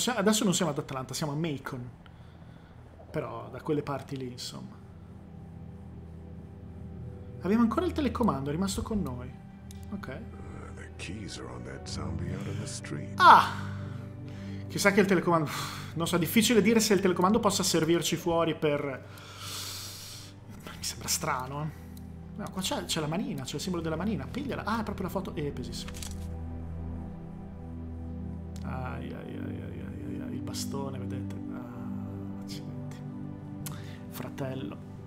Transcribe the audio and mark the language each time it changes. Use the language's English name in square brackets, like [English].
[Italian] Adesso non siamo ad Atlanta, siamo a Macon. Però da quelle parti lì, insomma. Abbiamo ancora il telecomando, è rimasto con noi. Ok. [English] Keys are on that zombie out of the street. [Italian] Ah! Chissà che il telecomando... Non so, è difficile dire se il telecomando possa servirci fuori per... Mi sembra strano. No, qua c'è la manina, c'è il simbolo della manina. Pigliala. Ah, è proprio la foto. Epesis. Il bastone, vedete. Ah, accidenti. Fratello.